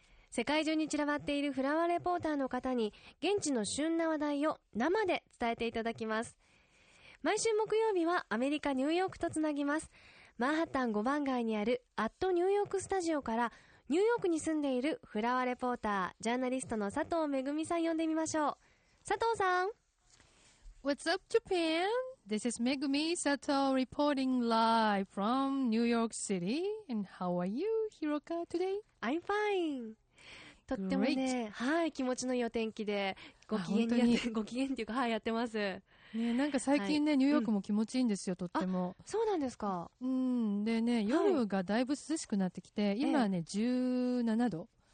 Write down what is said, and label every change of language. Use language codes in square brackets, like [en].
[ja] 世界中に散らばっているフラワーレポーターの方に現地の旬な話題を生で伝えていただきます。毎週木曜日はアメリカニューヨークとつなぎます。マンハッタン5番街にあるアットニューヨークスタジオからニューヨークに住んでいるフラワーレポータージャーナリストの佐藤めぐみさん呼んでみましょう。佐藤さん。 [en] What's up Japan? This is Megumi Sato reporting live from New York City. And how are you, Hiroka, today? I'm fine. [ja] とってもね、はい、気持ちのいいお天気でご機嫌にやって、ご機嫌っていうか、はい、やってます。ね、なんか最近ね、はい、ニューヨークも気持ちいいんですよ、とっても。あ、そうなんですか。うん、でね、夜がだいぶ涼しくなってきて、はい、今ね、17度。